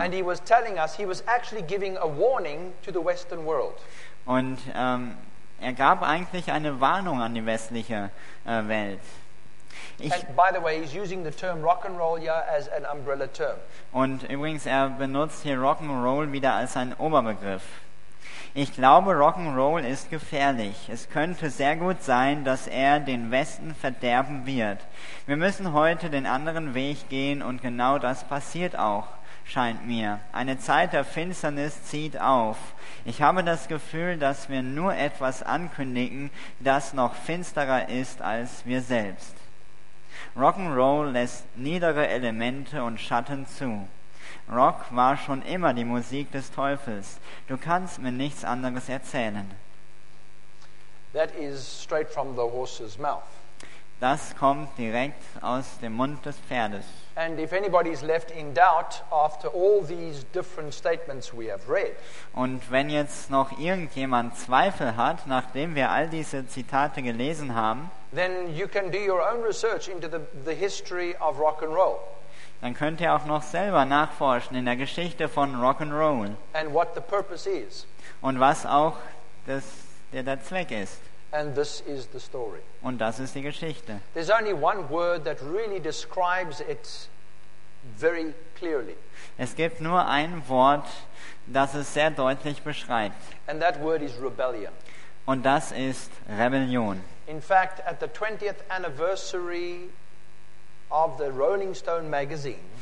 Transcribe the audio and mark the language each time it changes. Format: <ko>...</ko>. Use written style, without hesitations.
<en>And he was telling us, he was actually giving a warning to the Western world.</en> <de>Und er gab eigentlich eine Warnung an die westliche Welt.</de> <en>By the way, he's using the term rock and roll here as an umbrella term.</en> <de>Und übrigens, er benutzt hier rock and roll wieder als einen Oberbegriff. Ich glaube, Rock'n'Roll ist gefährlich. Es könnte sehr gut sein, dass er den Westen verderben wird. Wir müssen heute den anderen Weg gehen, und genau das passiert auch, scheint mir. Eine Zeit der Finsternis zieht auf. Ich habe das Gefühl, dass wir nur etwas ankündigen, das noch finsterer ist als wir selbst. Rock'n'Roll lässt niedere Elemente und Schatten zu. Rock war schon immer die Musik des Teufels. Du kannst mir nichts anderes erzählen.</de> <en>That is straight from the horse's mouth.</en> <de>Das kommt direkt aus dem Mund des Pferdes.</de> <en>And if anybody is left in doubt after all these different statements we have read.</en> <de>Und wenn jetzt noch irgendjemand Zweifel hat, nachdem wir all diese Zitate gelesen haben,</de> <en>then you can do your own research into the history of rock and roll.</en> <de>Dann könnt ihr auch noch selber nachforschen in der Geschichte von Rock and Roll.</de> <en>And what the purpose is.</en> <de>Und was auch der Zweck ist.</de> <en>And this is the story.</en> <de>Und das ist die Geschichte.</de> <en>There's only one word that really describes it very clearly.</en> <de>Es gibt nur ein Wort, das es sehr deutlich beschreibt.</de> <en>And that word is rebellion.</en> <de>Und das ist Rebellion.</de> <en>In fact, at the 20th anniversary of the Rolling Stone magazine,</en>